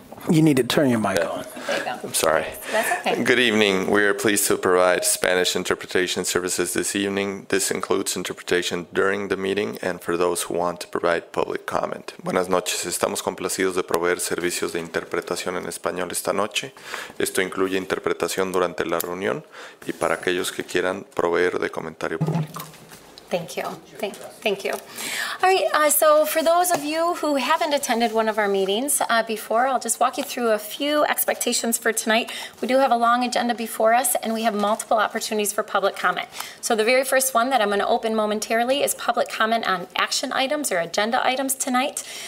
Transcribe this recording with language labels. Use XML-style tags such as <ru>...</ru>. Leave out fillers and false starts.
<en>You need to turn your mic on. There you go. I'm sorry. That's okay. Good evening. We are pleased to provide Spanish interpretation services this evening. This includes interpretation during the meeting and for those who want to provide public comment.</en> <es>Buenas noches. Estamos complacidos de proveer servicios de interpretación en español esta noche. Esto incluye interpretación durante la reunión y para aquellos que quieran proveer de comentario público.</es> <en>Thank you. All right, so for those of you who haven't attended one of our meetings before, I'll just walk you through a few expectations for tonight. We do have a long agenda before us, and we have multiple opportunities for public comment. So the very first one that I'm going to open momentarily is public comment on action items or agenda items tonight.</en>